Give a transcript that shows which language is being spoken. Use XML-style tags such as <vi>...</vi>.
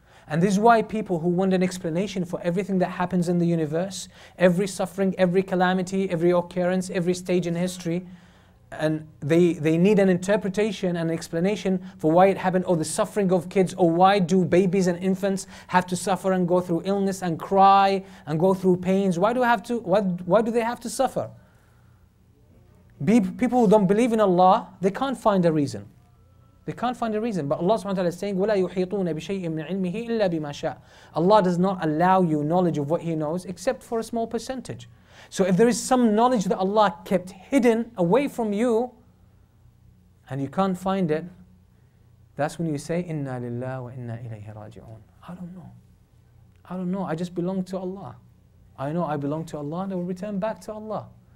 <en>And this is why people who want an explanation for everything that happens in the universe, every suffering, every calamity, every occurrence, every stage in history, and they need an interpretation, an explanation for why it happened, or the suffering of kids, or why do babies and infants have to suffer and go through illness and cry and go through pains? Why do they have to suffer? People who don't believe in Allah, they can't find a reason. But Allah subhanahu wa ta'ala is saying,</en> <ar>وَلَا يُحِيطُونَ بِشَيْءٍ مِّنْ عِلْمِهِ إِلَّا بِمَا شَاءَ.</ar> <en>Allah does not allow you knowledge of what He knows except for a small percentage. So if there is some knowledge that Allah kept hidden away from you and you can't find it, that's when you say,</en> <ar>Inna lillahi wa inna ilayhi raji'un.</ar> <en>I don't know. I just belong to Allah. I know I belong to Allah and I will return back to Allah.</en>